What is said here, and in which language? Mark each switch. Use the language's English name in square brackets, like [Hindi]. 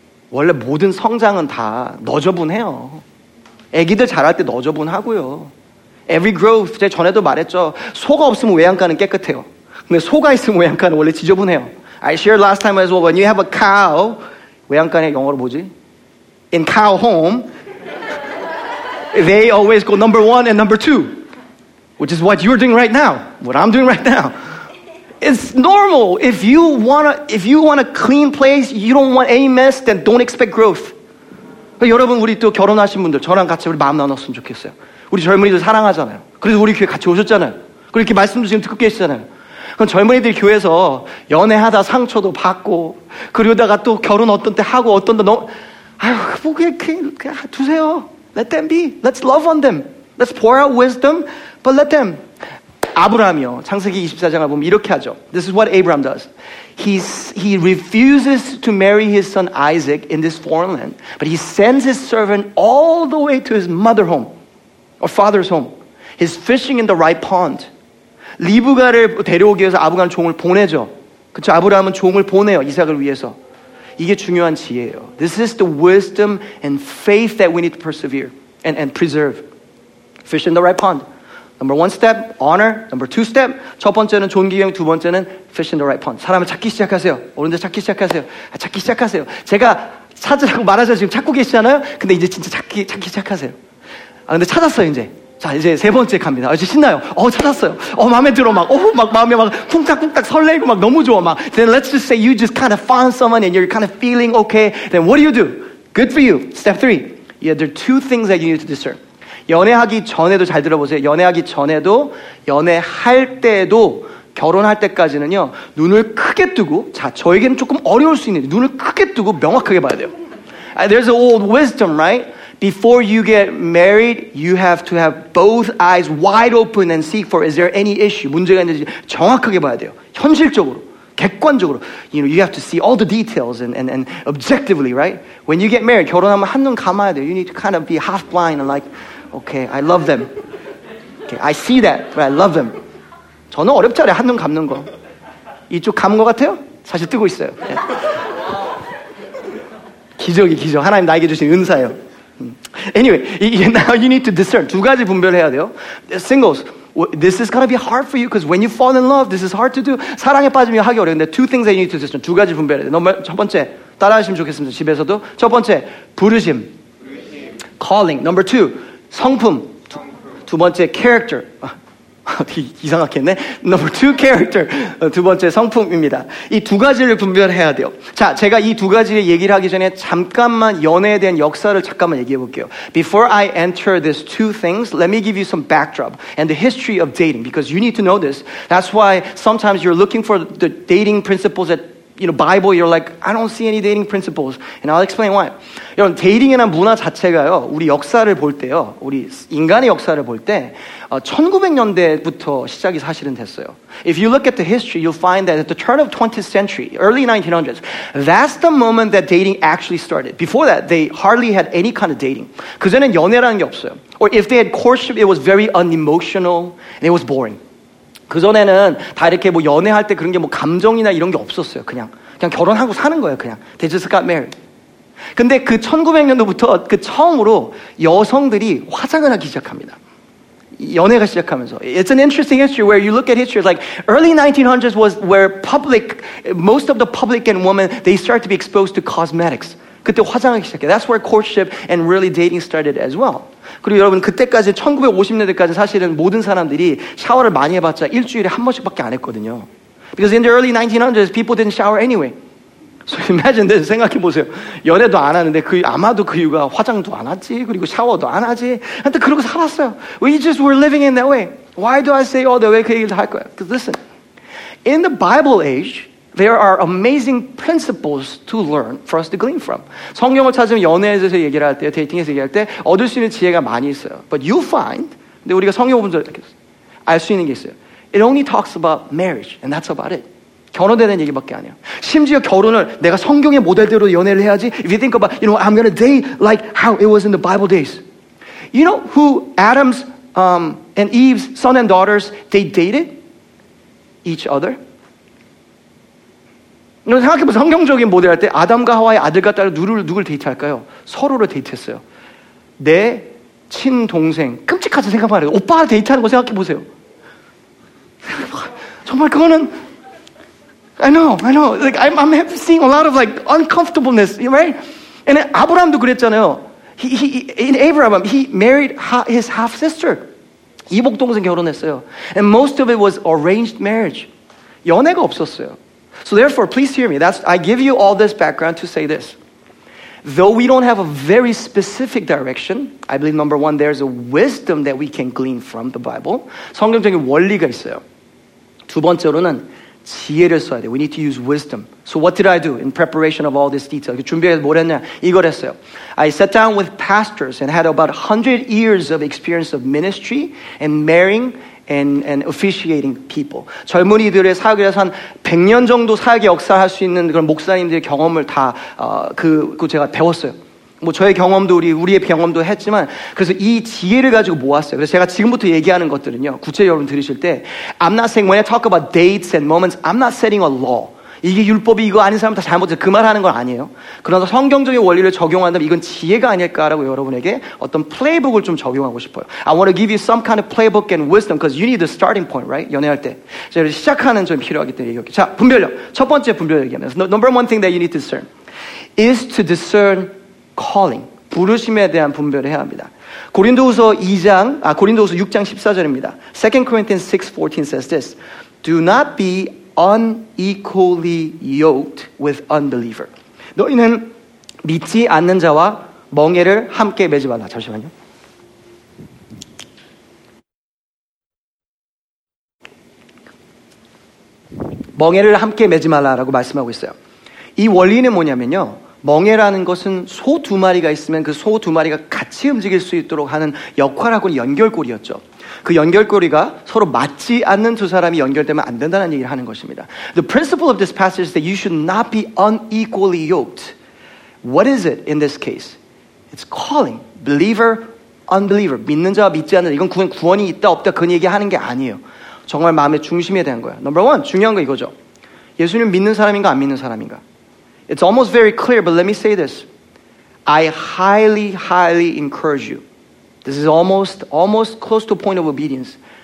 [Korean] 원래 모든 성장은 다 너저분해요. 애기들 자랄 때 너저분하고요. [English] Every growth. [Korean] 제가 전에도 말했죠. 소가 없으면 외양간은 깨끗해요. 근데 소가 있으면 외양간은 원래 지저분해요. [English] I shared last time as well. When you have a cow, [Korean] 외양간에 영어로 뭐지? [English] In cow home, they always go number one and number two. Which is what you're doing right now. What I'm doing right now. It's normal. If you want a clean place, you don't want any mess, then don't expect growth. [Korean] 여러분, 우리 또 결혼하신 분들, 저랑 같이 우리 마음 나눴으면 좋겠어요. 우리 젊은이들 사랑하잖아요. 그래서 우리 교회 같이 오셨잖아요. 그리고 이렇게 말씀도 지금 듣고 계시잖아요. 그럼 젊은이들 교회에서 연애하다 상처도 받고, 그러다가 또 결혼 어떤 때 하고, 어떤 때 너무, 아유, 뭐, 그냥 두세요. [English] Let them be. Let's love on them. Let's pour out wisdom, but let them. [Korean] 아브라함이요. 창세기 24장을 보면 이렇게 하죠. [English] This is what Abraham does. He refuses to marry his son Isaac in this foreign land, but he sends his servant all the way to his mother home, or father's home. He's fishing in the right pond. [Korean] 리브가를 데려오기 위해서 아브라함은 종을 보내죠. 그렇죠? 아브라함은 종을 보내요. 이삭을 위해서. 이게 중요한 지혜예요. [English] This is the wisdom and faith that we need to persevere and preserve. Fish in the right pond. Number one step, honor. Number two step, [Korean] 첫 번째는 존귀형, 두 번째는 [English] fish in the right pond. [Korean] 사람을 찾기 시작하세요. 오른데 찾기 시작하세요. 찾기 시작하세요. 제가 찾으라고 말하자 지금 찾고 계시잖아요. 근데 이제 진짜 찾기 시작하세요. 아 근데 찾았어요 이제. 자 이제 세 번째 갑니다. 이제 신나요. 어 찾았어요. 어 마음에 들어 막. 어 막 마음에 막 쿵짝쿵짝 설레고 막 너무 좋아 막. [English] Then let's just say you just kind of found someone and you're kind of feeling okay. Then what do you do? Good for you. Step three. Yeah, there are two things that you need to discern. [Korean] 연애하기 전에도 잘 들어보세요. 연애하기 전에도 연애할 때도 결혼할 때까지는요. 눈을 크게 뜨고 자 저에게는 조금 어려울 수 있는데 눈을 크게 뜨고 명확하게 봐야 돼요. [English] There's an old wisdom, right? Before you get married, you have to have both eyes wide open and seek for, is there any issue? [Korean] 문제가 있는지 정확하게 봐야 돼요. 현실적으로, 객관적으로. [English] You know, you have to see all the details and objectively, right? When you get married, [Korean] 결혼하면 한눈 감아야 돼요. [English] You need to kind of be half blind and like, okay, I love them. Okay, I see that, but I love them. [Korean] 저는 어렵잖아요, 한눈 감는 거. 이쪽 감은 것 같아요? 사실 뜨고 있어요. 네. 기적이 기적. 하나님 나에게 주신 은사예요. [English] Anyway, now you need to discern. [Korean] 두 가지 분별해야 돼요. [English] Singles, this is going to be hard for you because when you fall in love, this is hard to do. [Korean] 사랑에 빠지면 하기 어려운데 [English] two things that you need to discern. [Korean] 두 가지 분별해야 돼요. 첫 번째, 따라하시면 좋겠습니다. 집에서도. 첫 번째, 부르심. Calling. [English] Number two, [Korean] 성품. 두 번째, character. 이상하겠네. [English] Number two, character. [Korean] 두 번째, 성품입니다. 이 두 가지를 분별해야 돼요. 자, 제가 이 두 가지를 얘기를 하기 전에 잠깐만 연애에 대한 역사를 잠깐만 얘기해 볼게요. [English] Before I enter these two things, let me give you some backdrop and the history of dating because you need to know this. That's why sometimes you're looking for the dating principles that you know, Bible, you're like, I don't see any dating principles. And I'll explain why. [Korean] 여러분, 데이팅이라는 문화 자체가요, 우리 역사를 볼 때요, 우리 인간의 역사를 볼 때, 1900년대부터 시작이 사실은 됐어요. [English] If you look at the history, you'll find that at the turn of 20th century, early 1900s, that's the moment that dating actually started. Before that, they hardly had any kind of dating. [Korean] 그전엔 연애라는 게 없어요. [English] Or if they had courtship, it was very unemotional, and it was boring. [Korean] 그전에는 다 이렇게 뭐 연애할 때 그런 게 뭐 감정이나 이런 게 없었어요. 그냥 결혼하고 사는 거예요. [English] 그냥. They just got married. [Korean] 근데 그 1900년도부터 그 처음으로 여성들이 화장을 하기 시작합니다. 연애가 시작하면서. [English] It's an interesting history where you look at history. It's like early 1900s was where public, most of the public and women, they start to be exposed to cosmetics. [Korean] 그때 화장하기 시작해요. [English] That's where courtship and really dating started as well. [Korean] 그리고 여러분 그때까지 1950년대까지 사실은 모든 사람들이 샤워를 많이 해봤자 일주일에 한 번씩밖에 안 했거든요. [English] Because in the early 1900s, people didn't shower anyway. So imagine this, [Korean] 생각해보세요. 연애도 안 하는데 그 아마도 그 이유가 화장도 안 하지, 그리고 샤워도 안 하지. 근데 그러고 살았어요. [English] We just were living in that way. Why do I say all that way? [Korean] 그 얘기를 다 할 거예요. [English] Because listen, in the Bible age, there are amazing principles to learn for us to glean from. [Korean] 성경을 찾으면 연애에서 얘기를 할 때, 데이팅에서 얘기할 때 얻을 수 있는 지혜가 많이 있어요. [English] But you find, [Korean] 근데 우리가 성경 부분을 알 수 있는 게 있어요. [English] It only talks about marriage, and that's about it. [Korean] 결혼에 대한 얘기밖에 아니에요. 심지어 결혼을 내가 성경의 모델대로 연애를 해야지. [English] If you think about, you know, I'm going to date like how it was in the Bible days. You know who Adam's and Eve's son and daughters, they dated each other? [Korean] 여러분 생각해보세요. 성경적인 모델 할 때 아담과 하와의 아들과 딸을 누굴 데이트할까요? 서로를 데이트했어요. 내 친동생. 끔찍하죠? 생각만 해도. 오빠를 데이트하는 거 생각해보세요. 정말 그거는 [English] I know. Like I'm seeing a lot of like uncomfortableness, right? And then Abraham도 [Korean] 그랬잖아요. [English] In Abraham, he married his half-sister. [Korean] 이복동생 결혼했어요. [English] And most of it was arranged marriage. [Korean] 연애가 없었어요. [English] So therefore, please hear me. I give you all this background to say this. Though we don't have a very specific direction, I believe number one, there's a wisdom that we can glean from the Bible. [Korean] 성경적인 원리가 있어요. 두 번째로는 지혜를 써야 돼. [English] We need to use wisdom. So what did I do in preparation of all this detail? [Korean] 준비해서 뭘 했냐? 이걸 했어요. [English] I sat down with pastors and had about 100 years of experience of ministry and marrying and officiating people. [Korean] 젊은이들의 사역에서 한 100년 정도 사역의 역사를 할 수 있는 그런 목사님들의 경험을 다 그 제가 배웠어요. 뭐 저의 경험도 우리의 경험도 했지만 그래서 이 지혜를 가지고 모았어요. 그래서 제가 지금부터 얘기하는 것들은요. 구체적으로 들으실 때 [English] I'm not saying when I talk about dates and moments, I'm not setting a law. [Korean] 이게 율법이 이거 아닌 사람 다 잘못해서 그 말 하는 건 아니에요. 그러나 성경적인 원리를 적용한다면 이건 지혜가 아닐까라고 여러분에게 어떤 플레이북을 좀 적용하고 싶어요. [English] I want to give you some kind of playbook and wisdom because you need the starting point, right? [Korean] 연애할 때. 저를 시작하는 점이 필요하기 때문에 얘기할게요. 자, 분별력. 첫 번째 분별력 얘기하면서 [English] Number one thing that you need to discern is to discern calling. [Korean] 부르심에 대한 분별을 해야 합니다. 고린도후서 2장, 아, 고린도후서 6장 14절입니다. [English] 2 Corinthians 6:14 says this. Do not be unequally yoked with unbeliever. [Korean] 너희는 믿지 않는 자와 멍에를 함께 매지 말라. 잠시만요. 멍에를 함께 매지 말라라고 말씀하고 있어요. 이 원리는 뭐냐면요. 멍에라는 것은 소 두 마리가 있으면 그 소 두 마리가 같이 움직일 수 있도록 하는 역할하고는 연결고리였죠. 그 연결고리가 서로 맞지 않는 두 사람이 연결되면 안 된다는 얘기를 하는 것입니다. [English] The principle of this passage is that you should not be unequally yoked. What is it in this case? It's calling. Believer, unbeliever. [Korean] 믿는 자와 믿지 않는 자. 이건 구원이 있다 없다 그런 얘기하는 게 아니에요. 정말 마음의 중심에 대한 거예요. [English] Number one, [Korean] 중요한 거 이거죠. 예수님 믿는 사람인가 안 믿는 사람인가? [English] It's almost very clear, but let me say this. I highly, highly encourage you. This is almost close to a point of obedience.